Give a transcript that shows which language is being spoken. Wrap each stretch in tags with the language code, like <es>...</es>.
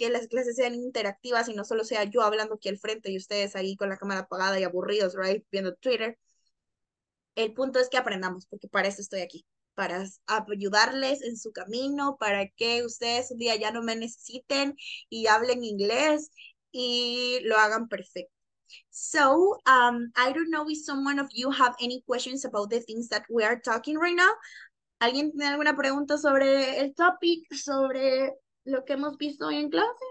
<es>Que las clases sean interactivas y no solo sea yo hablando aquí al frente y ustedes ahí con la cámara apagada y aburridos, right? Viendo Twitter. El punto es que aprendamos, porque para eso estoy aquí, para ayudarles en su camino, para que ustedes un día ya no me necesiten y hablen inglés y lo hagan perfecto.</es> <en>So, I don't know if someone of you have any questions about the things that we are talking right now.</en> <es>¿Alguien tiene alguna pregunta sobre el topic, sobre lo que hemos visto hoy en clase?</es>